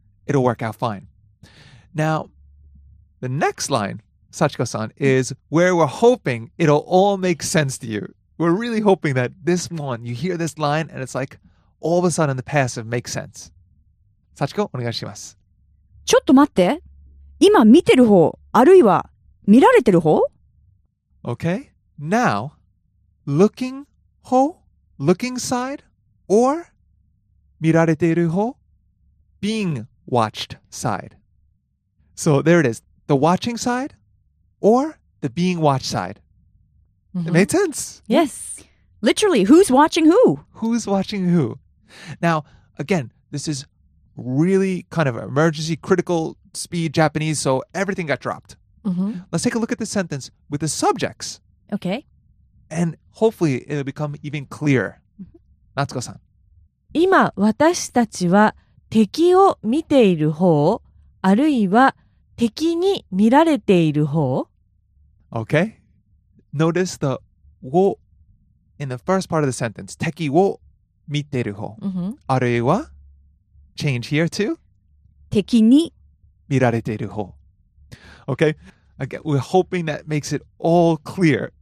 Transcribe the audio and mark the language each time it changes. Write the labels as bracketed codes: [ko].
[en] It'll work out fine. Now, the next line, Sachiko-san, is where we're hoping it'll all make sense to you. We're really hoping that this one, you hear this line, and it's like, all of a sudden, the passive makes sense. Sachiko, [ja] お願いします. ちょっと待って. 今見てる方、あるいは見られてる方? [en] Okay. Now, looking ho, looking side, or [ja] 見られてるほ, [en] being watched side. So there it is, the watching side or the being watched side. Mm-hmm. It made sense. Yes. Literally, who's watching who? Who's watching who? Now, again, this is really kind of emergency, critical speed Japanese, so everything got dropped. Mm-hmm. Let's take a look at the sentence with the subjects. Okay. And hopefully it'll become even clearer. Mm-hmm. Natsuko-san. [ja] 今私たちは敵を見ている方、あるいは敵に見られている方。 [en] Okay. Notice the wo in the first part of the sentence. [ja] 敵を見ている方。 [en] Mm-hmm. [ja] あるいは [en] change here to [ja] 敵に見られている方。 [en] Okay. Again, we're hoping that makes it all clear.